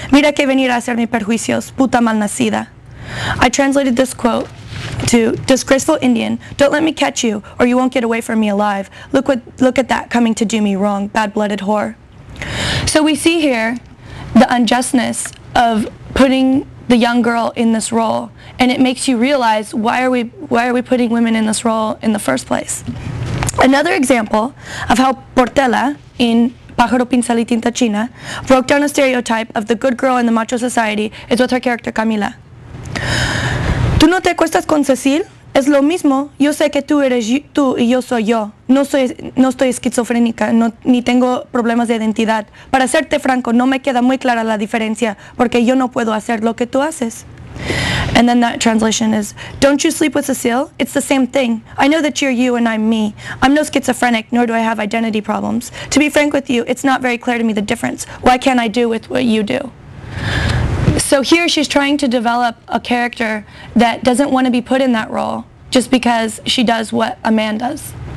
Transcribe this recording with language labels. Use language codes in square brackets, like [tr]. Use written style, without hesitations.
[es] Mira que venir a hacerme perjuicios, puta malnacida. [en] I translated this quote to, disgraceful Indian, don't let me catch you or you won't get away from me alive. Look at that coming to do me wrong, bad-blooded whore. So we see here the unjustness of putting the young girl in this role, and it makes you realize why are we putting women in this role in the first place. Another example of how Portela in Pájaro Pincel y Tinta China broke down a stereotype of the good girl in the macho society is with her character Camila. [es] Tú no te acuestas con Cecil, es lo mismo, yo sé que tú eres tú y yo soy yo, no estoy esquizofrénica, no, ni tengo problemas de identidad. Para serte franco, no me queda muy clara la diferencia, porque yo no puedo hacer lo que tú haces. [en] And then that translation is, don't you sleep with Cecil? It's the same thing. I know that you're you and I'm me. I'm no schizophrenic, nor do I have identity problems. To be frank with you, it's not very clear to me the difference. Why can't I do with what you do? So here she's trying to develop a character that doesn't want to be put in that role just because she does what a man does.